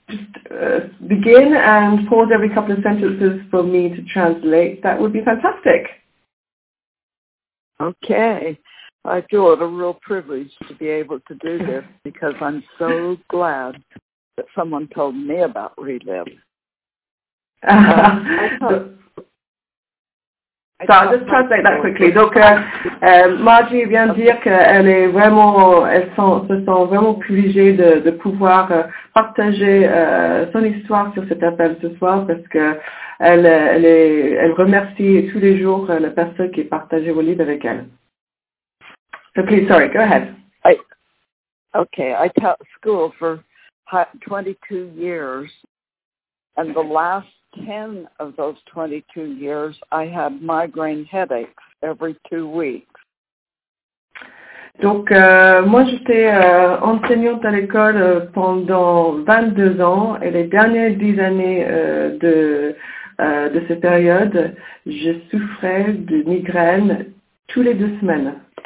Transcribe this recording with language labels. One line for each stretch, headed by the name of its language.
English: just begin and pause every couple of sentences for me to translate, that would be fantastic. Okay. I feel it a real privilege to be able to do this because I'm so glad that someone told me about Relive.
French: Margie vient de dire qu'elle est vraiment, se sent vraiment privilégiée de pouvoir partager son histoire sur cet appel ce soir parce que elle remercie tous les jours la personne qui partageait vos livres avec elle.
English: So please, sorry, go ahead. I taught school for 22 years, and the last 10 of those 22 years, I had migraine headaches every 2 weeks.
French: Donc, moi, j'étais enseignante à l'école pendant 22 ans, et les dernières 10 années de cette période, je souffrais de migraines tous les 2 semaines.